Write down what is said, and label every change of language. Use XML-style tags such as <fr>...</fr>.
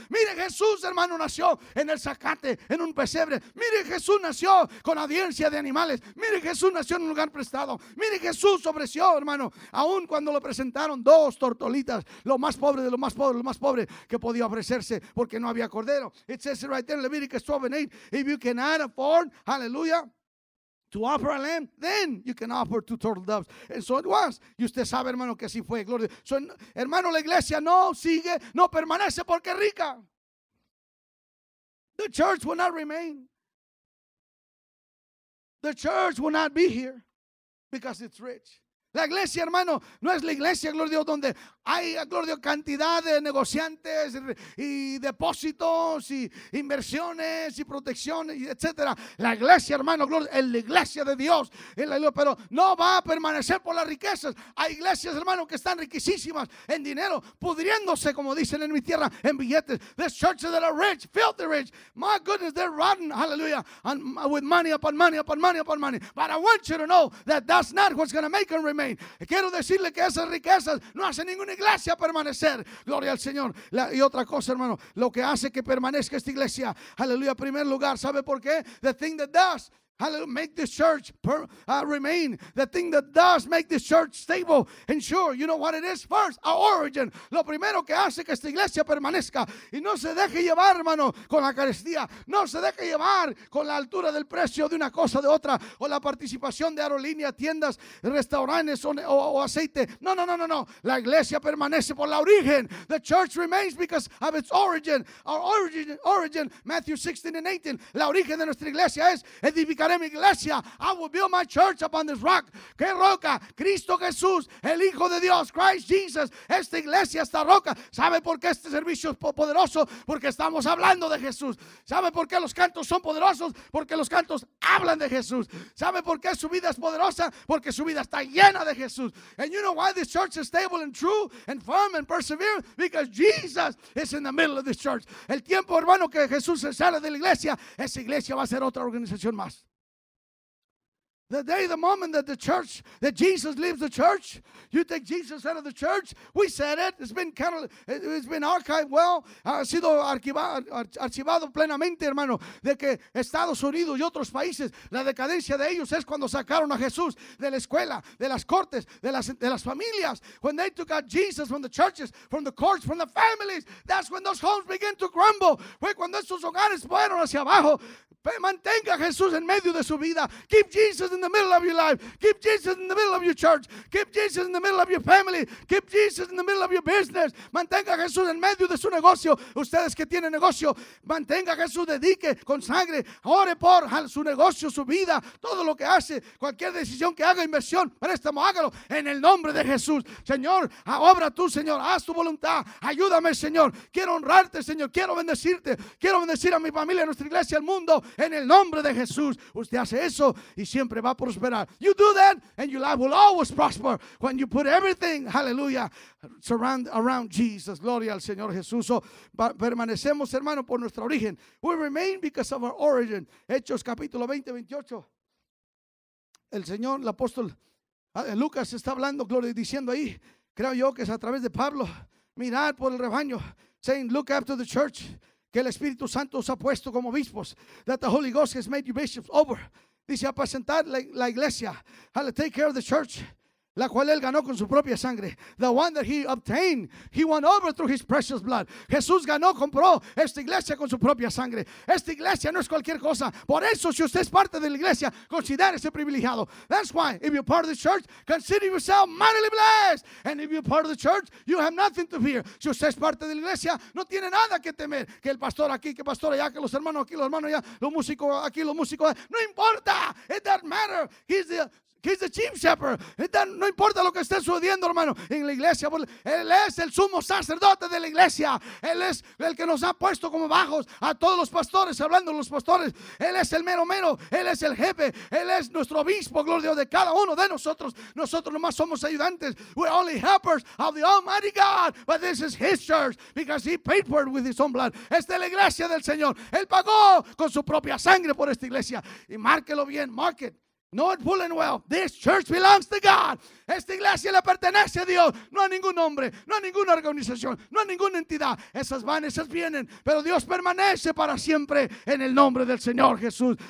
<es>Mire, Jesús, hermano, nació en el zacate, en un pesebre. Mire, Jesús nació con audiencia de animales. Mire, Jesús nació en un lugar prestado. Mire, Jesús ofreció, hermano, aún cuando lo presentaron, dos tortolitas, lo más pobre de lo más pobre, lo más pobre que podía ofrecerse porque no había cordero.</es> <en>It says it right there in Leviticus 12 and 8. If you cannot afford, hallelujah, to offer a lamb, then you can offer two turtle doves. And so it was.</en> <es>Y usted sabe, hermano, que así fue. Gloria. So, hermano, la iglesia no sigue, no permanece porque es rica.</es> <en>The church will not remain. The church will not be here because it's rich.</en> <es>La iglesia, hermano, no es la iglesia, gloria a Dios, donde hay, gloria a Dios, cantidad de negociantes y depósitos y inversiones y protecciones, etcétera. La iglesia, hermano, gloria, es la iglesia de Dios, en la iglesia, pero no va a permanecer por las riquezas. Hay iglesias, hermano, que están riquísimas en dinero, pudriéndose, como dicen en mi tierra, en billetes.</es> <en>There's churches that are rich, filthy rich. My goodness, they're rotten, hallelujah, and with money upon money upon money upon money. But I want you to know that that's not what's going to make them rich.</en> <es>Quiero decirle que esas riquezas no hacen ninguna iglesia permanecer. Gloria al Señor. Y otra cosa, hermano, lo que hace que permanezca esta iglesia, aleluya, en primer lugar, ¿sabe por qué?</es> <en>The thing that does, hallelujah, make this church remain. The thing that does make this church stable and sure, you know what it is? First, our origin.</en> <es>Lo primero que hace que esta iglesia permanezca y no se deje llevar, hermano, con la carestía. No se deje llevar con la altura del precio de una cosa de otra o la participación de aerolíneas, tiendas, restaurantes o aceite. No, no, no, no, no. La iglesia permanece por la origen.</es> <en>The church remains because of its origin. Our origin, Matthew 16 and 18.</en> <es>La origen de nuestra iglesia es edificar. Mi iglesia.</es> <en>I will build my church upon this rock.</en> <es>¿Qué roca? Cristo Jesús, el Hijo de Dios, Christ Jesus. Esta iglesia, esta roca. ¿Sabe por qué este servicio es poderoso? Porque estamos hablando de Jesús. ¿Sabe por qué los cantos son poderosos? Porque los cantos hablan de Jesús. ¿Sabe por qué su vida es poderosa? Porque su vida está llena de Jesús.</es> <en>And you know why this church is stable and true and firm and persevere? Because Jesus is in the middle of this church.</en> <es>El tiempo, hermano, que Jesús se sale de la iglesia, esa iglesia va a ser otra organización más.</es> <en>The day, the moment that the church, that Jesus leaves the church, you take Jesus out of the church. We said it. It's been archived well.</en> <es>Ha sido archivado plenamente, hermano, de que Estados Unidos y otros países, la decadencia de ellos es cuando sacaron a Jesús de la escuela, de las cortes, de las familias.</es> <en>When they took out Jesus from the churches, from the courts, from the families, that's when those homes begin to crumble.</en> <es>Fue cuando esos hogares fueron hacia abajo. Mantenga a Jesús en medio de su vida.</es> <en>Keep Jesus in the middle of your life. Keep Jesus in the middle of your church. Keep Jesus in the middle of your family. Keep Jesus in the middle of your business.</en> <es>Mantenga a Jesús en medio de su negocio. Ustedes que tienen negocio, mantenga a Jesús, dedique, consagre, ore por su negocio, su vida, todo lo que hace, cualquier decisión que haga, inversión, préstamo, hágalo en el nombre de Jesús. Señor, obra tú, Señor, haz tu voluntad. Ayúdame, Señor. Quiero honrarte, Señor. Quiero bendecirte. Quiero bendecir a mi familia, a nuestra iglesia, al mundo. En el nombre de Jesús, usted hace eso y siempre va a prosperar.</es> <en>You do that and your life will always prosper when you put everything, hallelujah, surround around Jesus.</en> <es>Gloria al Señor Jesús. So, permanecemos, hermano, por nuestro origen.</es> <en>We remain because of our origin.</en> <es>Hechos capítulo 20, 28. El Señor, el apóstol Lucas está hablando, gloria, diciendo ahí, creo yo que es a través de Pablo, mirar por el rebaño,</es> <en>saying, look after the church.</en> <es>Que el Espíritu Santo os ha puesto como obispos.</es> <en>That the Holy Ghost has made you bishops over.</en> <es>Dice, apacentar la iglesia.</es> <en>Take care of the church.</en> <es>La cual él ganó con su propia sangre.</es> <en>The one that he obtained. He won over through his precious blood.</en> <es>Jesús ganó, compró esta iglesia con su propia sangre. Esta iglesia no es cualquier cosa. Por eso, si usted es parte de la iglesia, considérese privilegiado.</es> <en>That's why, if you're part of the church, consider yourself mightily blessed. And if you're part of the church, you have nothing to fear.</en> <es>Si usted es parte de la iglesia, no tiene nada que temer. Que el pastor aquí, que el pastor allá, que los hermanos aquí, los hermanos allá, los músicos aquí, los músicos allá. No importa.</es> <en>It doesn't matter. He's the chief shepherd.</en> <es>No importa lo que esté sucediendo, hermano, en la iglesia. Él es el sumo sacerdote de la iglesia. Él es el que nos ha puesto como bajos a todos los pastores, hablando de los pastores. Él es el mero mero. Él es el jefe. Él es nuestro obispo, gloria a Dios, de cada uno de nosotros. Nosotros nomás somos ayudantes.</es> <en>We're only helpers of the Almighty God. But this is his church because he paid for it with his own blood.</en> <es>Esta es la iglesia del Señor. Él pagó con su propia sangre por esta iglesia. Y márquelo bien,</es> <en>mark it. Not pulling well. This church belongs to God.</en> <es>Esta iglesia le pertenece a Dios. No a ningún hombre, no a ninguna organización, no a ninguna entidad. Esas van, esas vienen, pero Dios permanece para siempre en el nombre del Señor Jesús.</es>